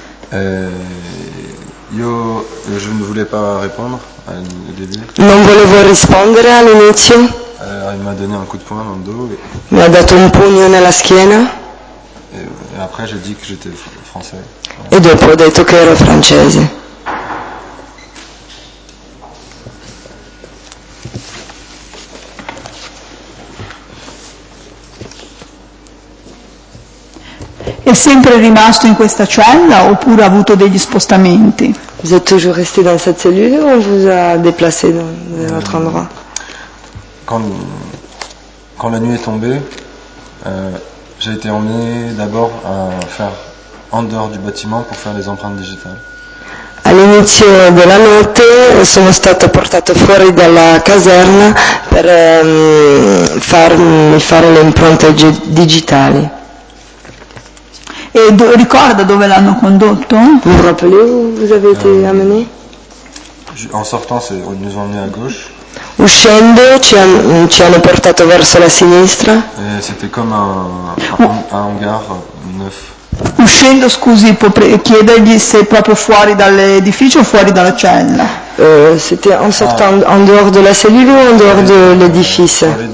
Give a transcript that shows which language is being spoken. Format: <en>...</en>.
<it>Io non volevo rispondere all'inizio. Non volevo rispondere all'inizio.</it> <fr>Il m'a donné un coup de poing dans le dos.</fr> <it>Mi ha dato un pugno nella schiena.</it> <fr>Et après j'ai dit que j'étais français.</fr> <it>Et dopo ho detto che ero francese. È sempre rimasto in questa cella oppure ha avuto degli spostamenti?</it> <fr>Vous êtes toujours resté dans cette cellule ou on vous a déplacé dans un autre endroit? Quand la nuit est tombée, j'ai été emmené d'abord à faire en dehors du bâtiment pour faire les empreintes digitales.</fr> <it>All'inizio della notte sono stato portato fuori dalla caserma per farmi fare le impronte digitali. E ricorda dove l'hanno condotto?</it> <fr>Vous rappelez où vous avez été amené? En sortant, ils nous ont emmené à gauche.</fr> <it>Uscendo, ci hanno portato verso la sinistra.</it> <fr>Et c'était comme un hangar neuf.</fr> <it>Uscendo, scusi, può chiedergli se è proprio fuori dall'edificio o fuori dalla cella?</it> <fr>C'était en sortant en dehors de la cellule ou en dehors de l'edificio?</fr>